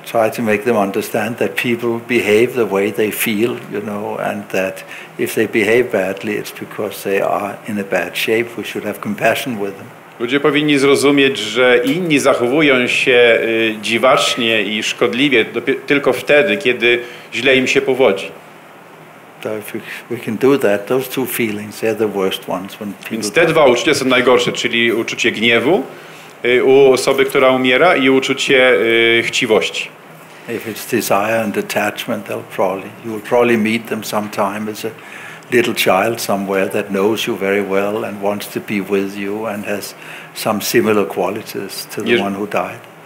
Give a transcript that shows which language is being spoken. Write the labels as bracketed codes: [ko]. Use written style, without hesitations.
[en] Try to make them understand that people behave the way they feel, you know, and that if they behave badly, it's because they are in a bad shape. We should have compassion with them. [pl] Ludzie powinni zrozumieć, że inni zachowują się dziwacznie i szkodliwie tylko wtedy, kiedy źle im się powodzi. [en] So if we can do that, those two feelings, they're the worst ones when people. [pl] Więc te dwa uczucia są najgorsze, czyli uczucie gniewu u osoby, która umiera i uczucie chciwości. [en] If it's desire and attachment, you will probably meet them sometime as a little child somewhere that knows you very well and wants to be with you and has some similar qualities to the one who died.